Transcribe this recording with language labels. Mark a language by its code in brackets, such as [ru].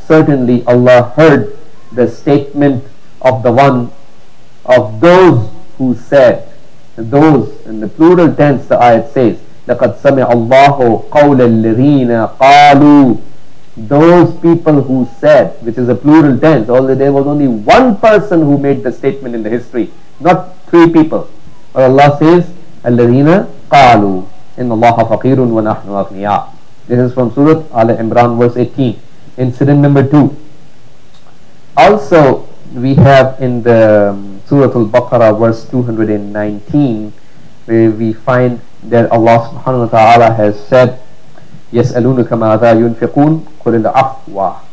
[en] Certainly Allah heard the statement of the one of those who said, those in the plural tense, the ayat says, [ar] لَقَدْ سَمِعَ اللَّهُ قَوْلَ الَّذِينَ قَالُوا. [en] Those people who said, which is a plural tense, although there was only one person who made the statement in the history, not three people. But Allah says, [ar] الَّذِينَ قَالُوا إِنَّ اللَّهَ فَقِيرٌ وَنَحْنُ أَغْنِيَا. [en] This is from Surah Ali Imran, verse 18. Incident number 2. Also, we have in the Surah Al-Baqarah, verse 219, where we find that Allah subhanahu wa ta'ala has said, [ar] يَسْأَلُونُكَ مَاذَا يُنْفِقُونَ قُلِ الْعَفْوَى.